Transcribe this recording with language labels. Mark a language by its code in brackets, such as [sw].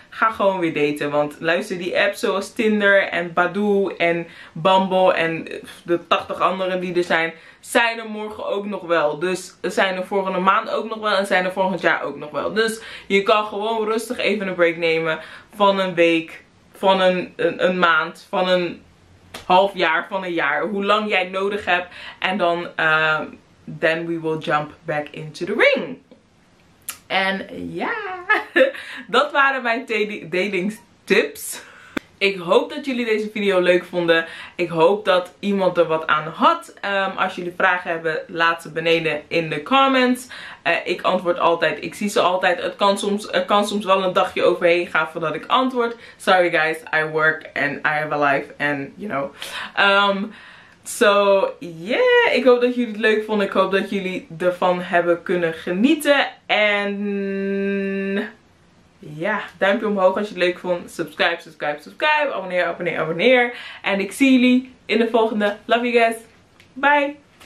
[nl] Ga gewoon weer daten. Want luister, die apps zoals Tinder en Badoo en Bumble en de 80 anderen die er zijn. Zijn er morgen ook nog wel. Dus zijn er volgende maand ook nog wel. En zijn er volgend jaar ook nog wel. Dus je kan gewoon rustig even een break nemen van een week. Van een maand, van een half jaar, van een jaar. Hoe lang jij nodig hebt. En dan, [en] then we will jump back into the ring. [nl] En ja, dat waren mijn dating tips. Ik hoop dat jullie deze video leuk vonden. Ik hoop dat iemand er wat aan had. Als jullie vragen hebben, laat ze beneden in de comments. Ik antwoord altijd. Ik zie ze altijd. Er kan soms wel een dagje overheen gaan voordat ik antwoord. [en] Sorry guys, I work and I have a life. And you know. So yeah, [nl] ik hoop dat jullie het leuk vonden. Ik hoop dat jullie ervan hebben kunnen genieten. En... ja, duimpje omhoog als je het leuk vond. [en] Subscribe, subscribe, subscribe. [nl] Abonneer, abonneer, abonneer. En ik zie jullie in de volgende. [en] Love you guys. Bye.